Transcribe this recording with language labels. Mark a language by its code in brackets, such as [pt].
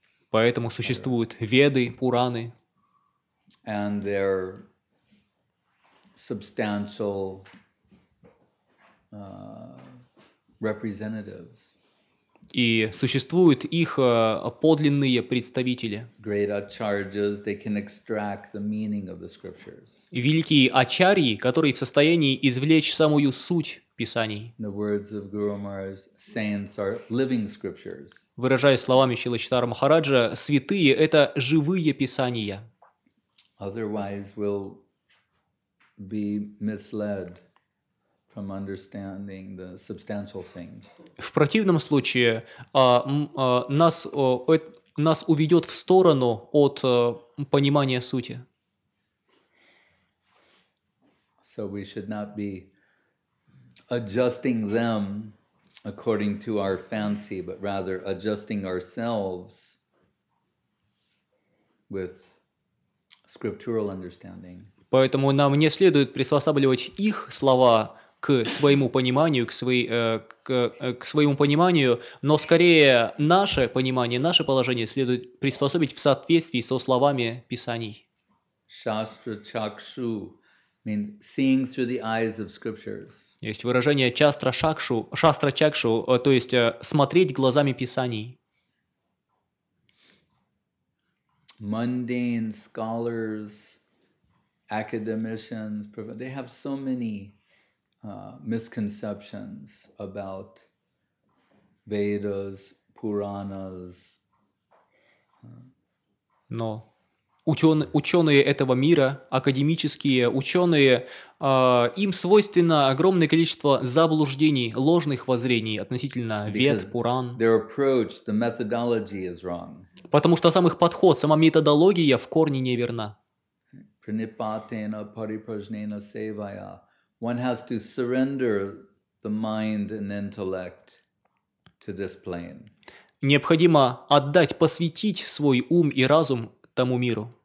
[ru] Поэтому существуют Веды, Пураны. [en] And their substantial representatives. [ru] И существуют их подлинные представители. [en] Great acharyas, they can extract the meaning of the scriptures. [ru] Великие ачарьи, которые в состоянии извлечь самую суть писаний. [en] The words of Guru Maharaj, saints are living scriptures. [ru] Выражаясь словами Шрилы Чайтаньи Махараджа, святые – это живые писания. [en] Otherwise, we'll be misled. From understanding the substantial thing. [ru] В противном случае нас уведет в сторону от понимания сути. [en] So we should not be adjusting them according to our fancy, but rather adjusting ourselves with scriptural understanding. [ru] Поэтому нам не следует приспосабливать их слова к своему пониманию, к своему пониманию, но скорее наше понимание, наше положение следует приспособить в соответствии со словами Писаний. [en] Shastra Chakshu means seeing through the eyes of scriptures. [ru] Есть выражение Shastra Chakshu, то есть смотреть глазами Писаний. [en] Mundane scholars, academicians, they have so many misconceptions about Vedas, Puranas. [ru] Но ученые этого мира, академические ученые, им свойственно огромное количество заблуждений, ложных воззрений относительно Вед, Пуран. [en] Their approach, the methodology is wrong. [ru] Потому что сам их подход, сама методология в корне неверна. [sa] Пранипатена парипражнена севая. [en] One has to surrender the mind and intellect to this plane. [ru] Необходимо отдать, посвятить свой ум и разум тому миру.